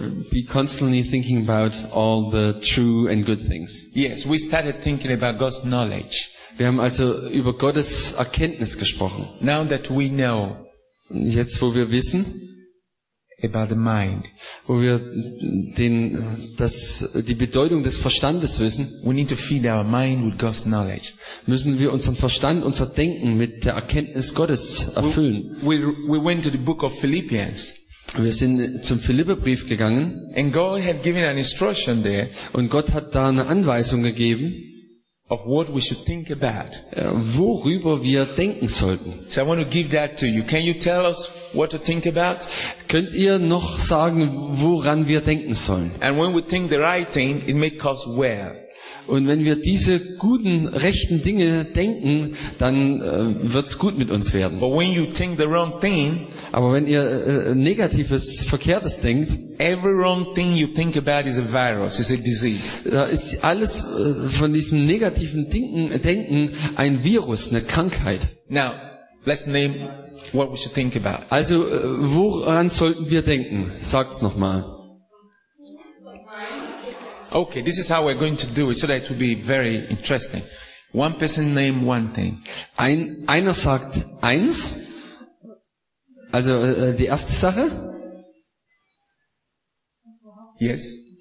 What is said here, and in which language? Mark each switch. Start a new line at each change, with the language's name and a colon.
English: Be constantly thinking about all the true and good things. Yes, we started thinking about God's knowledge.
German: Wir haben also über Gottes Erkenntnis gesprochen.
English: Now that we know,
German: jetzt wo wir wissen,
English: about the mind,
German: wo wir die Bedeutung des Verstandes wissen,
English: we need to feed our mind with God's knowledge.
German: Müssen wir unseren Verstand, unser Denken mit der Erkenntnis Gottes erfüllen.
English: We went to the book of Philippians.
German: Wir sind zum Philipperbrief gegangen.
English: And God had given an instruction there.
German: Und Gott hat da eine Anweisung gegeben.
English: Of what we should think about.
German: Worüber wir denken sollten.
English: So I want to give that to you. Can you tell us what to think about?
German: Könnt ihr noch sagen, woran wir denken sollen?
English: And when we think the right thing, it may cause well.
German: Und wenn wir diese guten, rechten Dinge denken, dann wird's gut mit uns werden.
English: But when you think the wrong thing,
German: aber wenn ihr Negatives, Verkehrtes denkt,
English: every wrong thing you think about is a virus, is a disease.
German: Da ist alles von diesem negativen Denken ein Virus, eine Krankheit.
English: Now, let's name what we should think about.
German: Also, woran sollten wir denken? Sagt's nochmal.
English: Okay, this is how we're going to do it, so that it will be very interesting. One person name one thing.
German: Einer sagt eins. Also die erste Sache.
English: Yes.